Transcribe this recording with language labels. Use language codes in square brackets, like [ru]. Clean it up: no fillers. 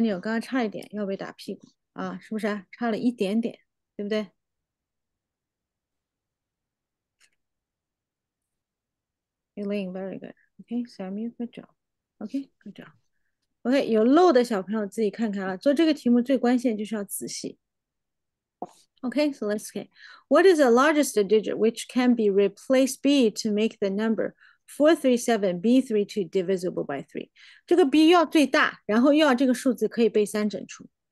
[zh] Daniel 刚刚差一点要被打屁股啊，是不是啊？差了一点点，对不对？Elaine, [en] very good. Okay, Samuel, good job. Okay, good job. [zh] Okay, 有漏的小朋友自己看看啊。做这个题目最关键就是要仔细。 [en] Okay, so let's get. What is the largest digit which can be replaced B to make the number 437B32 divisible by 3? [zh] 这个 B 要最大，然后又要这个数字可以被三整除。